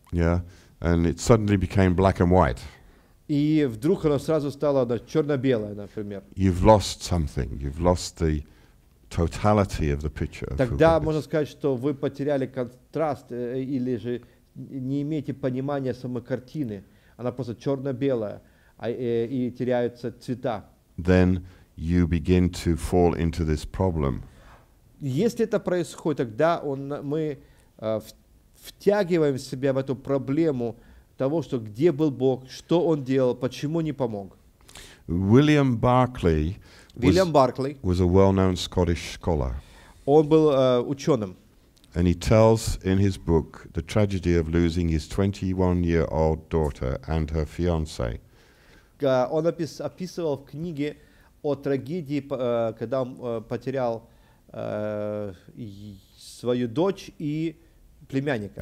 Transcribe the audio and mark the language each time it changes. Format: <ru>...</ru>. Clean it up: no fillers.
<en>Yeah, and it suddenly became black and white.</en> <ru>И вдруг она сразу стала черно-белая, например.</ru> <en>You've lost something. You've lost the totality of the picture.</en> <ru>Тогда можно сказать, что вы потеряли контраст или же не имеете понимания самой картины. Она просто черно-белая и теряются цвета.</ru> <en>Then you begin to fall into this problem.</en> <ru>Если это происходит, тогда мы втягиваем себя в эту проблему того, что где был Бог, что он делал, почему не помог.</ru> <en>William Barclay William Barclay was a well-known Scottish scholar.</en> <ru>Он был ученым.</ru> <en>And he tells in his book the tragedy of losing his 21-year-old daughter and her fiancé.</en> <ru>Он описывал в книге о трагедии, когда он потерял свою дочь и племянника.</ru>